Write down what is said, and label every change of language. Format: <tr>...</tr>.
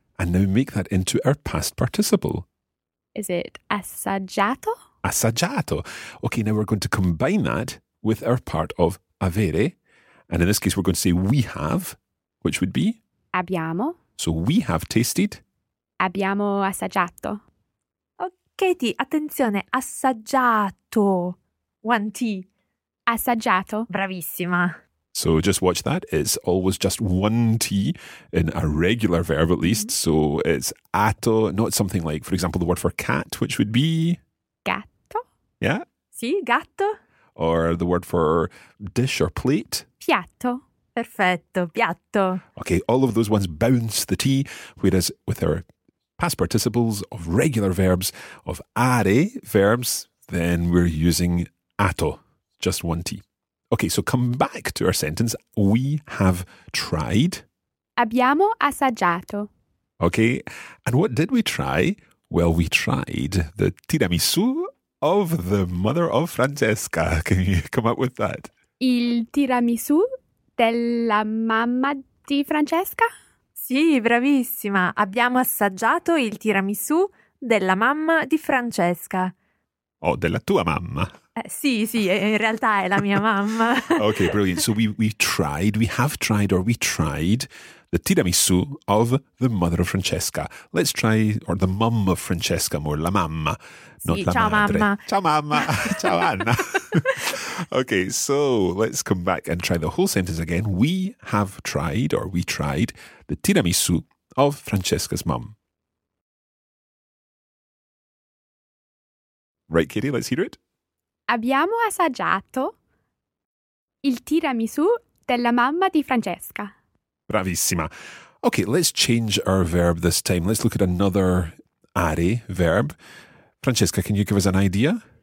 <en>And now make that into our past participle. Is it assaggiato?</en> <it>Assaggiato.</it> <en>Okay, now we're going to combine that with our part of avere. And in this case, we're going to say we have, which would be?</en> <it>Abbiamo.</it> <en>So we have tasted.</en> <it>Abbiamo assaggiato. Oh, Katie, attenzione, assaggiato.</it> <en>One T.</en> <it>Assaggiato. Bravissima.</it> <en>So just watch that. It's always just one T in a regular verb at least. Mm-hmm. So it's ato, not something like, for example, the word for cat, which would be?</en> <it>Gatto.</it> <en>Yeah.</en> <it>Sì, gatto.</it> <en>Or the word for dish or plate.</en> <it>Piatto. Perfetto, piatto.</it> <en>Okay, all of those ones bounce the T, whereas with our past participles of regular verbs, of are verbs, then we're using ato, just one T. Okay, so come back to our sentence. We have tried.</en> <it>Abbiamo assaggiato.</it> <en>Okay, and what did we try? Well, we tried the tiramisu of the mother of Francesca. Can you come up with that?</en> <it>Il tiramisu della mamma di Francesca? Sì, bravissima. Abbiamo assaggiato il tiramisù della mamma di Francesca. Oh, della tua mamma. Sì, sì, in realtà è la mia mamma.</it> <en>Okay, brilliant. So we have tried the tiramisù of the mother of Francesca. Let's try, or the mum of Francesca more,</en> <it>la mamma, sì,</it> <en>not</en> <it>ciao la madre. Mamma. Ciao mamma. Ciao Anna.</it> <en>Okay, so let's come back and try the whole sentence again. We have tried, or we tried, the tiramisu of Francesca's mum. Right, Katie, let's hear it.</en> <it>Abbiamo assaggiato il tiramisu della mamma di Francesca. Bravissima.</it> <en>Okay, let's change our verb this time. Let's look at another are verb. Francesca, can you give us an idea?</en>